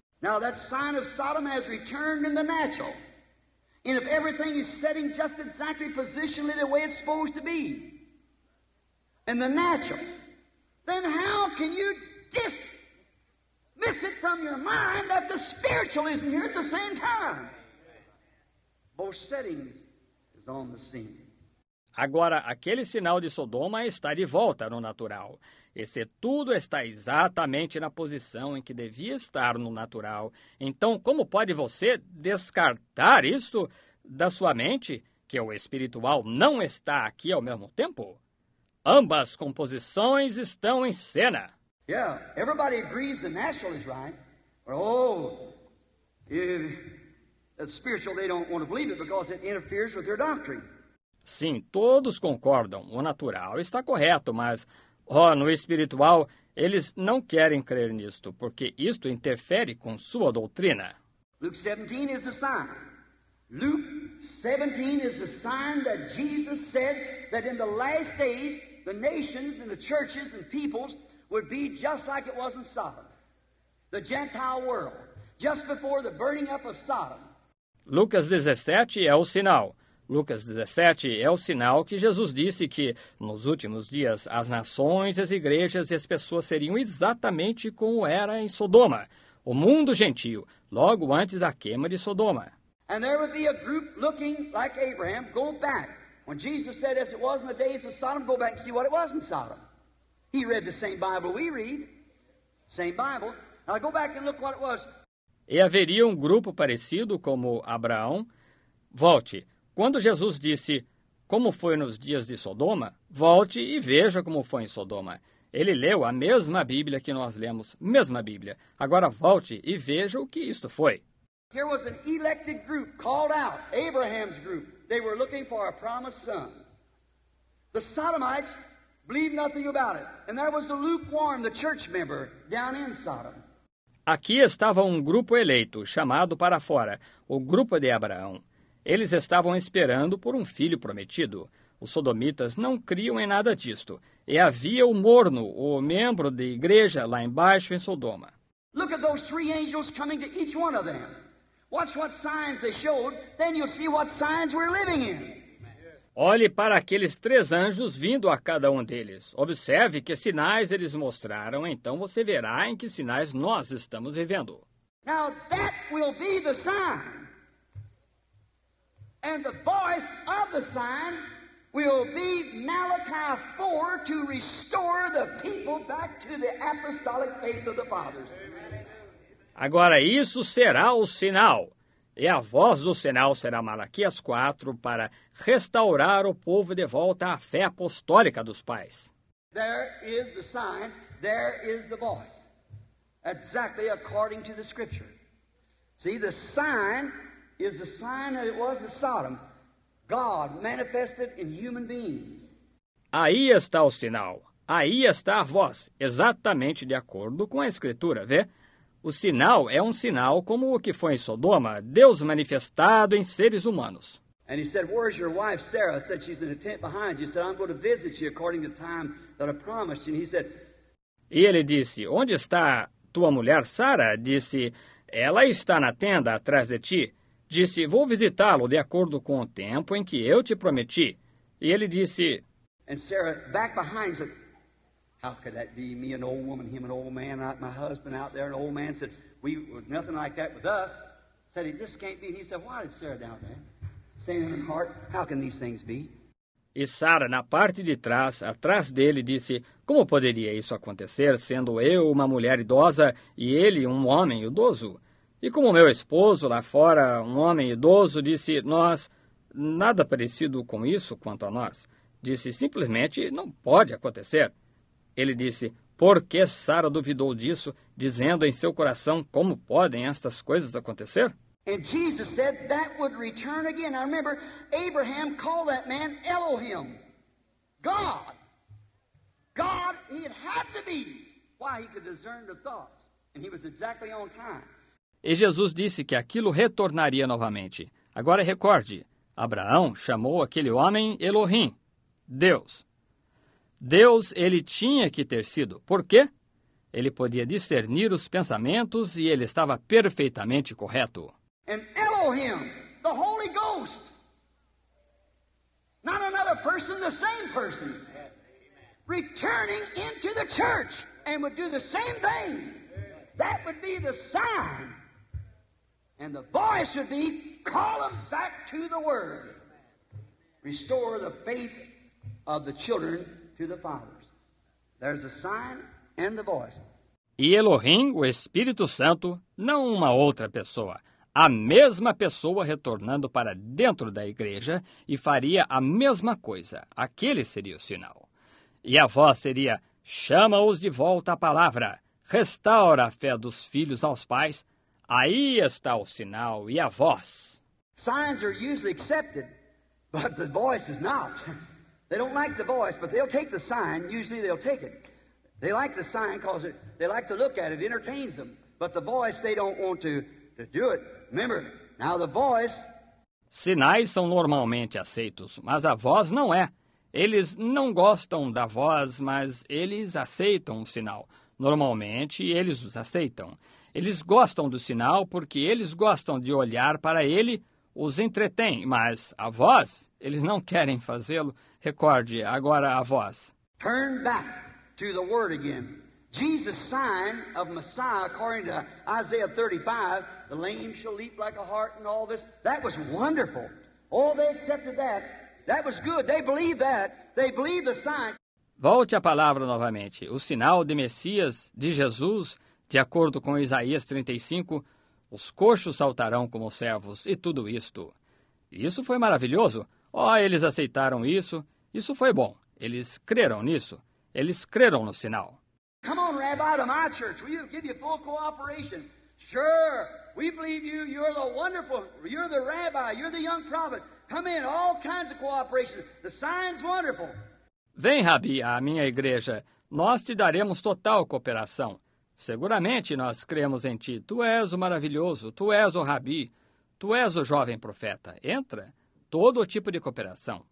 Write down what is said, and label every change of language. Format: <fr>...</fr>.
<en>Now that sign of Sodom has returned in the natural. And if everything is setting just exactly positionally the way it's supposed to be. In the natural. Then how can you miss it from your mind that the spiritual isn't here at the same time? Both settings is on the scene.</en> <pt>Agora, aquele sinal de Sodoma está de volta no natural. E se tudo está exatamente na posição em que devia estar no natural, então como pode você descartar isso da sua mente, que o espiritual não está aqui ao mesmo tempo? Ambas composições estão em cena.</pt> <en>Yeah, everybody agrees the natural is right. Oh, if the spiritual, they don't want to believe it because it interferes with their doctrine.</en> <pt>Sim, todos concordam. O natural está correto, mas, no espiritual, eles não querem crer nisto, porque isto interfere com sua doutrina.</pt> <en>Luke 17 is a sign. Luke 17 is the sign that Jesus said that in the last days, the nations and the churches and peoples would be just like it was in Sodom. The Gentile world, just before the burning up of Sodom.</en> <pt>Lucas 17 é o sinal. Lucas 17 é o sinal que Jesus disse que, nos últimos dias, as nações, as igrejas e as pessoas seriam exatamente como era em Sodoma, o mundo gentil, logo antes da queima de Sodoma.</pt> <en>And there would be a group looking like Abraham, go back. When Jesus said, as it was in the days of Sodom, go back and see what it was in Sodom. He read the same Bible we read, same Bible. Now go back and look what it was.</en> <pt>E haveria um grupo parecido como Abraão? Volte. Quando Jesus disse, como foi nos dias de Sodoma, volte e veja como foi em Sodoma. Ele leu a mesma Bíblia que nós lemos, mesma Bíblia. Agora volte e veja o que isto foi.</pt> <en>Here was an elected group called out, Abraham's group. They were looking for a promised son. The Sodomites believed nothing about it. And there was the lukewarm, the church member, down in Sodom.</en> <pt>Aqui estava um grupo eleito, chamado para fora, o grupo de Abraão. Eles estavam esperando por um filho prometido. Os sodomitas não criam em nada disto. E havia o morno, o membro de igreja, lá embaixo em Sodoma.</pt> <en>Look at those three angels coming to each one of them. Watch what signs they showed, then you'll see what signs we're living in.</en> <pt>Olhe para aqueles três anjos vindo a cada um deles. Observe que sinais eles mostraram, então você verá em que sinais nós estamos vivendo.</pt> <en>Now that will be the sign. And the voice of the sign will be Malachi 4 to restore the people back to the apostolic faith of the fathers.</en> <pt>Agora isso será o sinal. E a voz do sinal será Malaquias 4 para restaurar o povo de volta à fé apostólica dos pais.</pt> <en>There is the sign, there is the voice. Exactly according to the scripture. See, the sign is the sign that it was in Sodom, God manifested in human beings.</en> <pt>Aí está o sinal. Aí está a voz, exatamente de acordo com a Escritura, vê? O sinal é um sinal como o que foi em Sodoma, Deus manifestado em seres humanos.</pt> <en>And he said, where's your wife, Sarah? I said, she's in a tent behind you. He said, I'm going to visit you according to the time that I promised you. And he said...</en> <pt>E ele disse, onde está tua mulher, Sarah? Disse, ela está na tenda atrás de ti. Disse, vou visitá-lo de acordo com o tempo em que eu te prometi. E ele disse...</pt> <en>And Sarah, back behind, said, how could that be me, an old woman, him, an old man, not my husband out there, an old man, said, we were nothing like that with us. Said, it just can't be. And he said, why did Sarah down there? Saying in her heart, how can these things be?</en> <pt>E Sarah, na parte de trás, atrás dele, disse, como poderia isso acontecer, sendo eu uma mulher idosa e ele um homem idoso? E como meu esposo lá fora, um homem idoso, disse, nós, nada parecido com isso quanto a nós. Disse, simplesmente, não pode acontecer. Ele disse, por que Sara duvidou disso dizendo em seu coração, como podem estas coisas acontecer?</pt> <en>And Jesus said that would return again. I remember Abraham called that man Elohim, God. God, he had to be. Why, he could discern the thoughts, and he was exactly on time.</en> <pt>E Jesus disse que aquilo retornaria novamente. Agora recorde, Abraão chamou aquele homem Elohim, Deus. Deus ele tinha que ter sido. Por quê? Ele podia discernir os pensamentos e ele estava perfeitamente correto.</pt> <en>And Elohim, the Holy Ghost. Not another person, the same person. Returning into the church and would do the same thing. That would be the sign. And the voice would be, call them back to the Word. Restore the faith of the children to the fathers. There's a sign and the voice.</en> <pt>E Elohim, o Espírito Santo, não uma outra pessoa. A mesma pessoa retornando para dentro da igreja e faria a mesma coisa. Aquele seria o sinal. E a voz seria, chama-os de volta à palavra, restaura a fé dos filhos aos pais. Aí está o sinal e a voz.</pt> <en>Signs are usually accepted, but the voice is not. They don't like the voice, but they'll take the sign, usually they'll take it. They like the sign because they like to look at it, it entertains them. But the voice, they don't want to do it. Remember, now the voice...</en> <pt>Sinais são normalmente aceitos, mas a voz não é. Eles não gostam da voz, mas eles aceitam o sinal. Normalmente, eles os aceitam. Eles gostam do sinal porque eles gostam de olhar para ele, os entretém. Mas a voz, eles não querem fazê-lo. Recorde agora a voz.</pt> <en>Turn back to the word again. Jesus' sign of Messiah, according to Isaiah 35, the lame shall leap like a hart and all this. That was wonderful. Oh, they accepted that. That was good. They believed that. They believed the sign.</en> <pt>Volte a palavra novamente. O sinal de Messias, de Jesus, de acordo com Isaías 35, os coxos saltarão como servos e tudo isto. Isso foi maravilhoso. Oh, eles aceitaram isso. Isso foi bom. Eles creram nisso. Eles creram no sinal.</pt> <en>Come on, Rabbi, to my church. We give you full cooperation. Sure, we believe you. You're the wonderful. You're the Rabbi. You're the young prophet. Come in, all kinds of cooperation. The sign's wonderful.</en> <pt>Vem, Rabi, à minha igreja. Nós te daremos total cooperação. Seguramente nós cremos em ti. Tu és o maravilhoso. Tu és o Rabi. Tu és o jovem profeta. Entra. Todo tipo de cooperação.</pt>